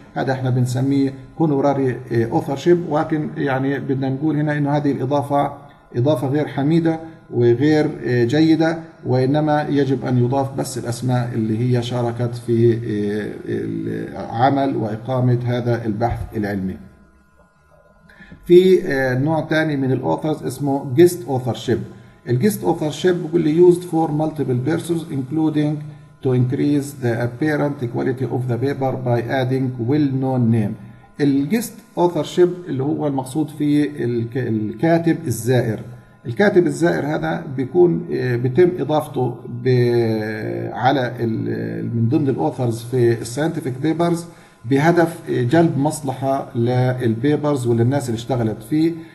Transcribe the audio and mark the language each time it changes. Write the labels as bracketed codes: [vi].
[ar] هذا احنا بنسميه honorary authorship، ولكن يعني بدنا نقول هنا إنه هذه الإضافة إضافة غير حميدة وغير جيدة، وإنما يجب أن يضاف بس الأسماء اللي هي شاركت في العمل وإقامة هذا البحث العلمي. في نوع ثاني من الأوثرز اسمه guest authorship. [en] الجست authorship will be used for multiple persons including to increase the apparent quality of the paper by adding well-known name. [ar] الجست authorship اللي هو المقصود فيه الكاتب الزائر. الكاتب الزائر هذا بيكون بيتم اضافته على من ضمن الاوثرز في الساينتفك بيبرز بهدف جلب مصلحه للبيبرز وللناس اللي اشتغلت فيه.